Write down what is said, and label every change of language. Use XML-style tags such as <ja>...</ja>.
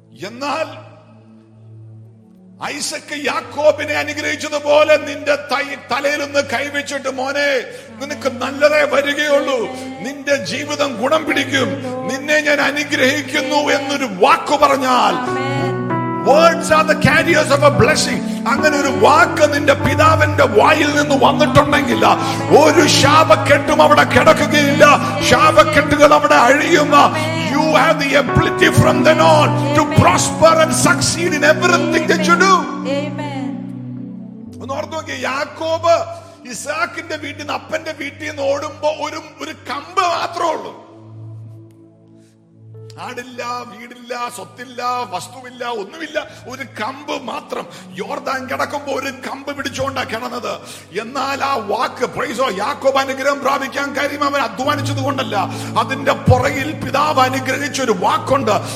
<ml>എന്നാൽ ഐസക്ക് യാക്കോബിനെ അനുഗ്രഹിച്ചതുപോലെ നിന്റെ തലയിലൊന്ന് കൈവച്ചിട്ട്, മോനെ നിനക്ക് നല്ലതേ വരികയുള്ളൂ, നിന്റെ ജീവിതം ഗുണം പിടിക്കും, നിന്നെ ഞാൻ അനുഗ്രഹിക്കുന്നു എന്നൊരു വാക്ക് പറഞ്ഞാൽ,</ml> <en>Words are the carriers of a blessing.</en> <ml>അങ്ങനെ ഒരു വാക്ക് നിന്റെ പിതാവിന്റെ വായിൽ നിന്ന് വന്നിട്ടുണ്ടെങ്കിൽ ഒരു ശാപക്കെട്ടും അവിടെ കിടക്കുകയില്ല, ശാപക്കെട്ടുകൾ അവിടെ അഴിയും.</ml> <en>You have the ability from then on to prosper and succeed in everything that you do. Amen.</en> <ml>ഓർത്തു നോക്കിയേ, യാക്കോബ് ഇസാക്കിന്റെ വീട്ടിൽ നിന്ന് അപ്പന്റെ വീട്ടിൽ നിന്ന് ഓടുമ്പോ ഒരു കമ്പ് മാത്രമേ ഉള്ളൂ. ആടില്ല, വീടില്ല, സ്വത്തില്ല, വസ്തുവില്ല, ഒന്നുമില്ല, ഒരു കമ്പ് മാത്രം. യോർദാൻ കിടക്കുമ്പോ ഒരു കമ്പ് പിടിച്ചോണ്ടാ കിടന്നത്. എന്നാൽ ആ വാക്ക് പ്രൈസോ യാക്കോബ് അനുഗ്രഹം പ്രാപിക്കാൻ കാര്യം അവൻ അധ്വാനിച്ചത് കൊണ്ടല്ല, അതിന്റെ പുറകിൽ പിതാവ് അനുഗ്രഹിച്ച ഒരു വാക്കുണ്ട്.</ml>